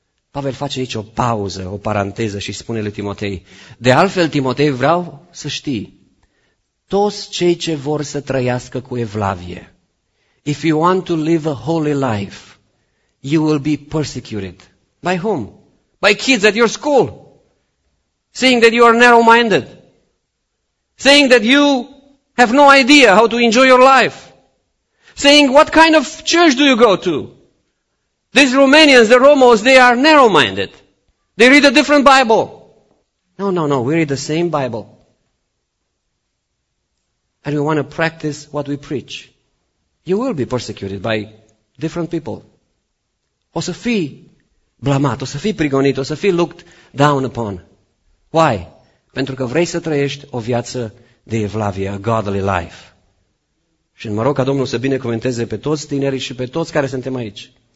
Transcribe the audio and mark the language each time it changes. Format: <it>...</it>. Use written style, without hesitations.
<ro>Pavel face aici o pauză, o paranteză și spune lui Timotei, de altfel, Timotei, vreau să știi, toți cei ce vor să trăiască cu evlavie,</ro> <en>if you want to live a holy life, you will be persecuted. By whom? By kids at your school, saying that you are narrow-minded, saying that you have no idea how to enjoy your life, saying what kind of church do you go to? These Romanians, the Romos, they are narrow-minded. They read a different Bible. No, we read the same Bible. And we want to practice what we preach. You will be persecuted by different people.</en> <ro>O să fii blamat, o să fii prigonit, o să fii</ro> <en>looked down upon. Why?</en> <ro>Pentru că vrei să trăiești o viață de evlavie,</ro> <en>a godly life.</en> <ro>Și mă rog ca Domnul să binecuvânteze pe toți tinerii și pe toți care suntem aici.</ro>